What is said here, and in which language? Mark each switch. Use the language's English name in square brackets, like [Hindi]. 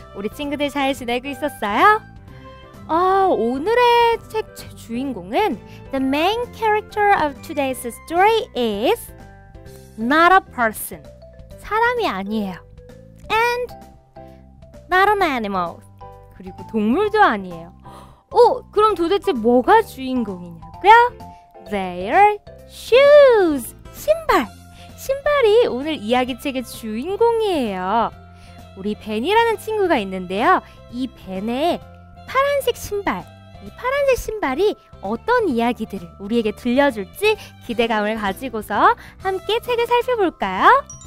[Korean] 우리 친구들 잘 지내고 있었어요? 오늘의 책 주인공은 [English] The main character of today's story is not a person. [Korean] 사람이 아니에요. [English] And not an animal. [Korean] 그리고 동물도 아니에요. 그럼 도대체 뭐가 주인공이냐고요? [English] Their shoes. [Korean] 신발. 신발이 오늘 이야기책의 주인공이에요. 우리 벤이라는 친구가 있는데요. 이 벤의 파란색 신발, 이 파란색 신발이 어떤 이야기들을 우리에게 들려줄지 기대감을 가지고서 함께 책을 살펴볼까요?